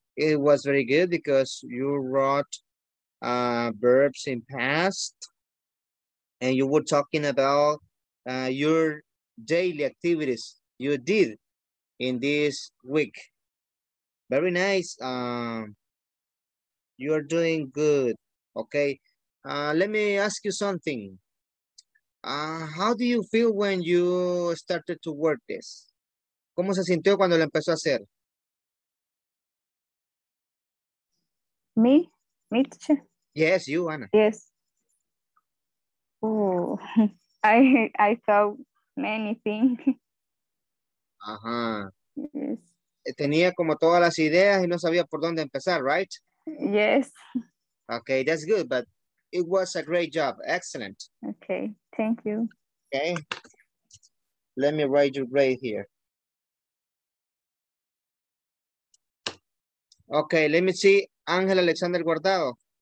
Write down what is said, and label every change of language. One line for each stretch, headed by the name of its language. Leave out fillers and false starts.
English: It was very good because you wrote verbs in past and you were talking about your daily activities you did in this week. Very nice. You're doing good. Okay. Let me ask you something. How do you feel when you started to work this?
Spanish: ¿Cómo se sintió cuando lo empezó a hacer?
English: Me teacher? Yes, you, Ana. Yes. Oh, I saw many things. Ajá. Yes.
Spanish: Tenía como todas las ideas y no sabía por dónde empezar, right?
English: Yes. Okay, that's good, but it was a great job. Excellent. Okay, thank you. Okay. Let me write your grade here. Okay, let me see Ángel Alexander Guardado.